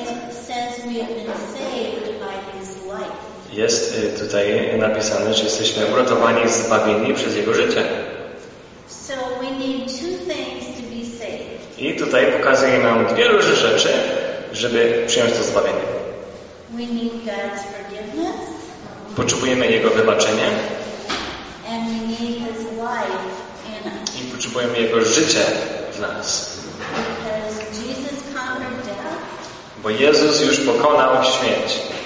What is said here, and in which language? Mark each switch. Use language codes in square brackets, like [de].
[en] says we have been saved by his life. [pl] Jest tutaj napisane, że jesteśmy uratowani, zbawieni przez Jego życie. [en] So we need two things to be saved. [pl] I tutaj pokazuje nam dwie różne rzeczy, żeby przyjąć to zbawienie. [en] We need God's forgiveness. [pl] Potrzebujemy Jego wybaczenia. [en] And we need his life in us. [pl] I potrzebujemy Jego życie w nas. [en] Because Jesus conquered death. [pl] Bo Jezus już pokonał śmierć.